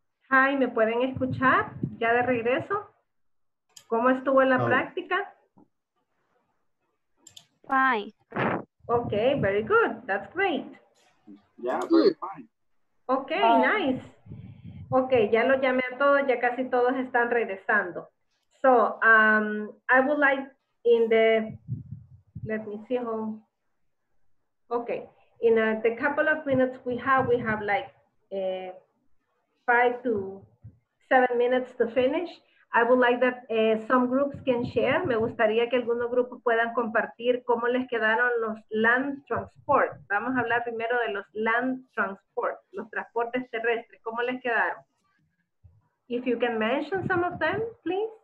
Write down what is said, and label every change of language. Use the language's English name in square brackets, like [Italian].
[Spanish] Hi, ¿me pueden escuchar ya de regreso? ¿Cómo estuvo la práctica? [English] Fine. Okay, very good. That's great. Yeah, very fine. Okay, nice. [Spanish] Okay, ya lo llamé a todos, ya casi todos están regresando. [English] So, I would like in the, let me see how, okay, in a, the couple of minutes we have like 5 to 7 minutes to finish. I would like that some groups can share. [Spanish] Me gustaría que algunos grupos puedan compartir cómo les quedaron los land transport. Vamos a hablar primero de los land transport, los transportes terrestres. ¿Cómo les quedaron? [English] If you can mention some of them, please.